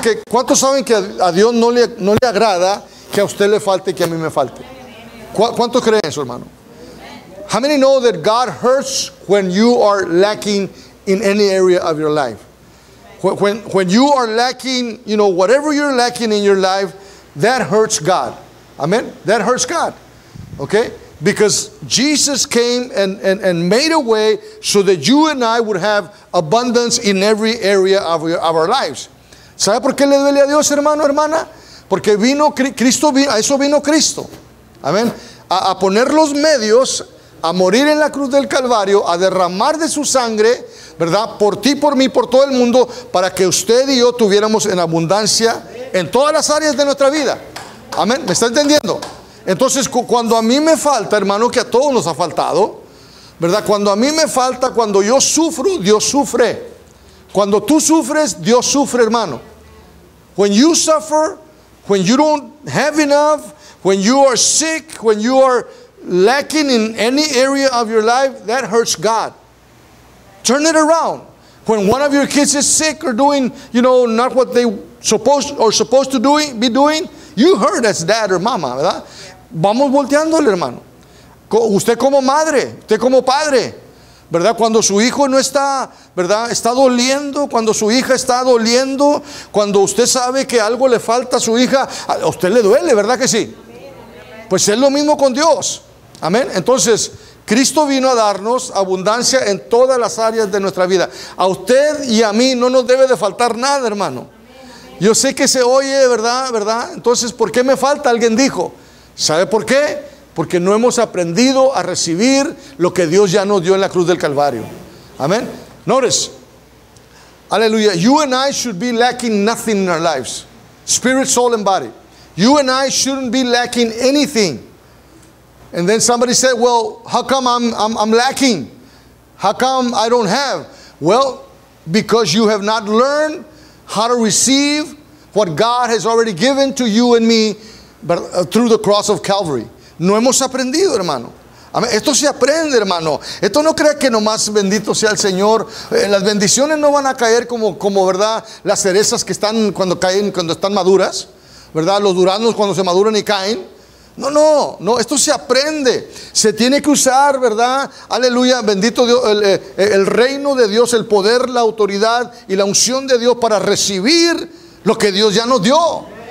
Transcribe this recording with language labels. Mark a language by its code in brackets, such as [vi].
[es] ¿Cuántos saben que a Dios no le agrada que a usted le falte y que a mí me falte? ¿Cuántos creen eso, hermano? [en] How many know that God hurts when you are lacking in any area of your life? When you are lacking, you know, whatever you're lacking in your life, that hurts God. Amen? That hurts God. Okay? Because Jesus came and made a way so that you and I would have abundance in every area of our lives. [es] ¿Sabe por qué le duele a Dios, hermano, hermana? Porque vino Cristo, a eso vino Cristo. Amen? A poner los medios, a morir en la cruz del Calvario, a derramar de su sangre, ¿verdad?, por ti, por mí, por todo el mundo, para que usted y yo tuviéramos en abundancia en todas las áreas de nuestra vida. Amén. ¿Me está entendiendo? Entonces, cuando a mí me falta, hermano, que a todos nos ha faltado, ¿verdad?, cuando a mí me falta, cuando yo sufro, Dios sufre. Cuando tú sufres, Dios sufre, hermano. [en] When you suffer, when you don't have enough, when you are sick, when you are lacking in any area of your life, that hurts God. Turn it around. When one of your kids is sick or doing, you know, not what they supposed to be doing, you hurt as dad or mama, [es] ¿verdad? Vamos volteándole, hermano. Usted como madre, usted como padre, ¿verdad? Cuando su hijo no está, ¿verdad? Está doliendo, cuando su hija está doliendo, cuando usted sabe que algo le falta a su hija, a usted le duele, ¿verdad que sí? Pues es lo mismo con Dios. Amén. Entonces, Cristo vino a darnos abundancia en todas las áreas de nuestra vida. A usted y a mí no nos debe de faltar nada, hermano. Yo sé que se oye, ¿verdad? ¿Verdad? Entonces, ¿por qué me falta? Alguien dijo. ¿Sabe por qué? Porque no hemos aprendido a recibir lo que Dios ya nos dio en la cruz del Calvario. Amén. [en] Notice. [es] Aleluya. [en] You and I should be lacking nothing in our lives. Spirit, soul and body. You and I shouldn't be lacking anything. And then somebody said, well, how come I'm lacking? How come I don't have? Well, because you have not learned how to receive what God has already given to you and me through the cross of Calvary. [es] No hemos aprendido, hermano. Esto se aprende, hermano. Esto no crea que nomás bendito sea el Señor. Las bendiciones no van a caer como verdad, las cerezas que están cuando caen, cuando están maduras, ¿verdad? Los duraznos cuando se maduran y caen. No, esto se aprende. Se tiene que usar, ¿verdad? Aleluya, bendito Dios, el reino de Dios, el poder, la autoridad y la unción de Dios para recibir lo que Dios ya nos dio.